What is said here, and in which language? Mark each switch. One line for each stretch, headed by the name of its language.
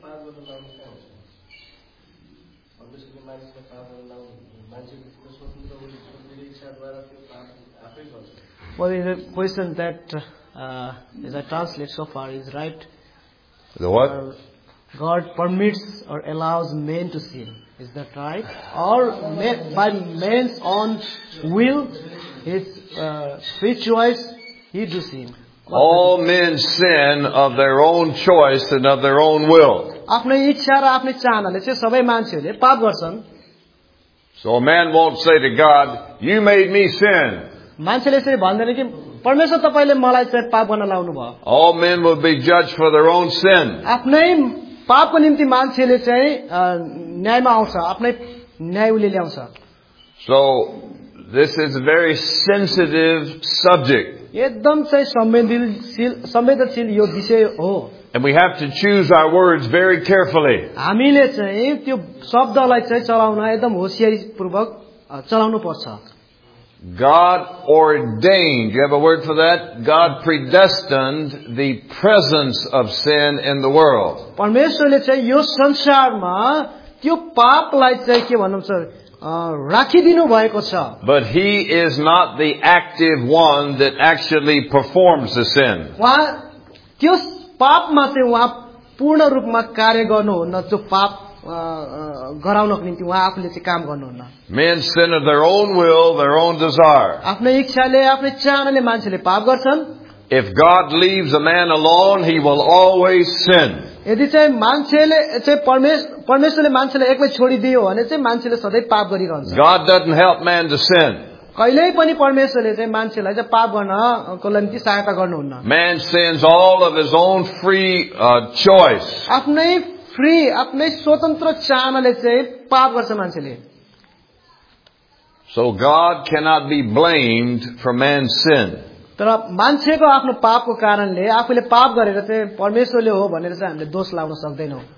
Nepali: पाप गर्न लाउनु हुन्छ भने? परमेश्वरले पाप गर्न लाउनु मान्छेको स्वतन्त्र उच्च इच्छा द्वारा त्यो पाप आफै गर्छ.
English: Well, the question that as I translate so far is right. The what? God permits or allows men to sin. Is that right? Or by man's own will, his free choice, he do sin. All men sin of their own choice and of their own will.
Nepali: आफ्नै इच्छा र आफ्नै चाहनाले चाहिँ सबै मान्छेहरूले पाप गर्छन्.
English: So a man won't say to God, "You made me sin."
Nepali: मान्छेले चाहिँ भन्दैन कि परमेश्वर तपाईँले मलाई चाहिँ पाप गर्न लाउनु भयो.
English: All men will be judged for their own sin.
Nepali: आफ्नै पापको निम्ति मान्छेले चाहिँ न्यायमा आउँछ आफ्नै न्याय उसले ल्याउँछ.
English: So this is a very sensitive subject.
Nepali: एकदम चाहिँ संवेदनशील यो विषय हो.
English: And we have to choose our words very carefully.
Nepali: हामीले चाहिँ त्यो शब्दलाई चाहिँ चलाउन एकदम होसियारी पूर्वक चलाउनु पर्छ.
English: God ordained, you have a word for that? God predestined the presence of sin in the world.
Nepali: परमेश्वरले चाहिँ यो संसारमा त्यो पापलाई चाहिँ के भन्नुहुन्छ राखिदिनु भएको छ.
English: But he is not the active one that actually performs the sin.
Nepali: उहाँ त्यो पापमा चाहिँ उहाँ पूर्ण रूपमा कार्य गर्नुहुन्न त्यो पाप गराउनको निम्ति उहाँ आफूले चाहिँ काम गर्नुहुन्न.
English: Men sin of their own will, their own desire.
Nepali: आफ्नै इच्छाले आफ्नै चाहनाले मान्छेले पाप गर्छन्.
English: If God leaves a man alone, he will always sin.
Nepali: यदि चाहिँ मान्छेले चाहिँ परमेश्वरले मान्छेलाई एक्लै छोडिदियो भने चाहिँ मान्छेले सधैँ पाप गरिरहन्छ.
English: God doesn't help man to sin.
Nepali: कहिले पनि परमेश्वरले चाहिँ मान्छेलाई चाहिँ पाप गर्नको लागि सहायता गर्नुहुन्न.
English: Man sins all of his own free choice.
Nepali: आफ्नै फ्री आफ्नै स्वतन्त्र चाहनाले चाहिँ पाप गर्छ मान्छेले.
English: So God cannot be blamed for man's sin.
Nepali: तर मान्छेको आफ्नो पापको कारणले आफूले पाप गरेर चाहिँ परमेश्वरले हो भनेर चाहिँ हामीले दोष लाउन सक्दैनौ.